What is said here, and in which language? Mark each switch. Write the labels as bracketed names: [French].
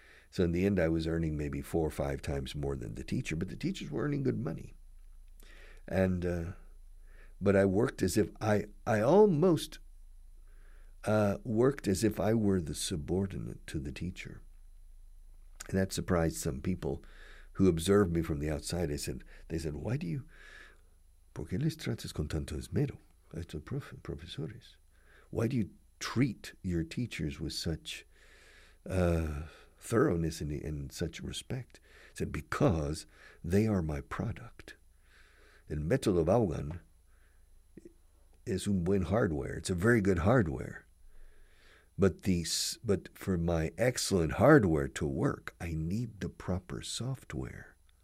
[English] So in the end, I was earning maybe 4 or 5 times more than the teacher, but the teachers were earning good money. And but I worked as if I almost worked as if I were the subordinate to the teacher. And that surprised some people who observed me from the outside. They said, why do you... [Spanish] ¿Por qué les tratas con tanto esmero a estos profesores? [English] Why do you treat your teachers with such thoroughness and such respect? I said, because they are my product. [Spanish] El método Vaughan es un buen hardware. [English] It's a very good hardware. But for my excellent hardware to work, I need the proper software.